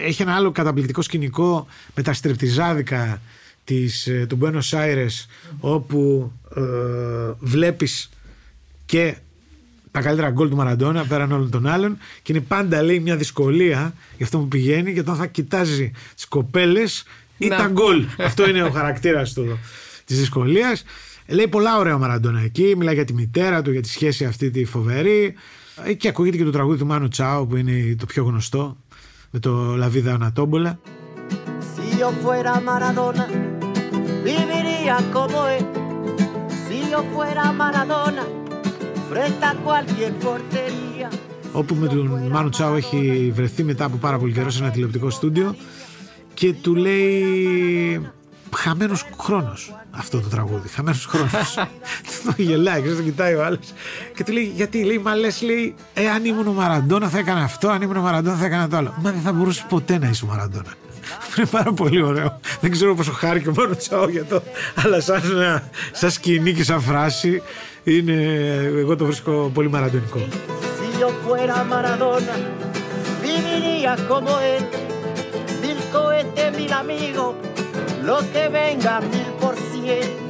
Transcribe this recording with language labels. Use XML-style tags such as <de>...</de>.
<el>Έχει ένα άλλο καταπληκτικό σκηνικό με τα στριπτιζάδικα του Buenos Aires, όπου βλέπεις και τα καλύτερα γκολ του Μαραντόνα πέραν όλων των άλλων και είναι πάντα, λέει, μια δυσκολία για αυτό που πηγαίνει, γιατί όταν θα κοιτάζει τις κοπέλες ή τα γκολ. Αυτό είναι ο χαρακτήρας του της δυσκολίας. Λέει πολλά ωραία ο Μαραντόνα εκεί, μιλάει για τη μητέρα του, για τη σχέση αυτή τη φοβερή και ακούγεται και το τραγούδι του Μάνου Τσάου που είναι το πιο γνωστό με το La Vida Anatómbola.</el> <es>Si yo fuera Maradona, viviría como él. Si yo fuera Maradona, frente a cualquier portería.</es> <el>Όπου με τον Μάνου Τσάου έχει βρεθεί μετά από πάρα πολύ καιρό σε ένα τηλεοπτικό στούντιο και του λέει «Χαμένος χρόνος» αυτό το τραγούδι. «Χαμένος χρόνος». Το γελάει, ξέρεις, το κοιτάει ο άλλος. Και του λέει «Γιατί», λέει, «Μα λες», λέει, «αν ήμουν ο Μαραντόνα θα έκανα αυτό, αν ήμουν ο Μαραντόνα θα έκανα το άλλο». «Μα δεν θα μπορούσες ποτέ να είσαι ο Μαραντόνα». Είναι πάρα πολύ ωραίο. Δεν ξέρω πόσο χάρηκε ο Μάνου Τσάου για το, αλλά σαν σκηνή και σαν φράση είναι, εγώ το βρίσκω πολύ μαραντονικό.</el> <es>Si yo fuera Maradona, viviría como él, mil cohetes, mil amigos, lo que venga mil por cien.</es>